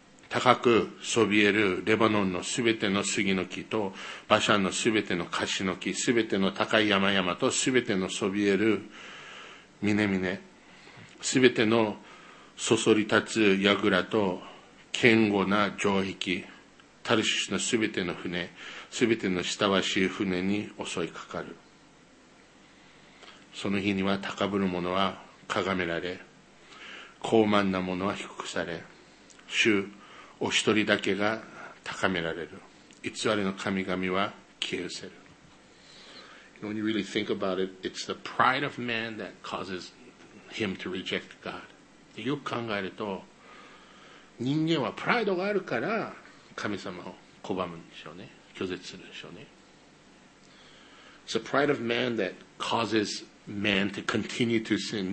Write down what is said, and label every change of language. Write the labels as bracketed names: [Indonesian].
[Japanese] 高くそびえるレバノンのすべての杉の木と、バシャンのすべてのカシの木、すべての高い山々と、すべてのそびえるミネミネ、すべてのそそり立つヤグラと、堅固な城壁、タルシスのすべての船、すべての親しい船に襲いかかる。その日には高ぶる者は、かがめられ、高慢なものは低くされ、主お一人だけが高められる。偽りの神々は消え失せる。 [English] When you really think about it, it's the pride of man that causes him to reject God. [Japanese] よく考えると、人間はプライドがあるから神様を拒むんでしょうね。拒絶するでしょうね。 [English] It's the pride of man that causes man to continue to sin.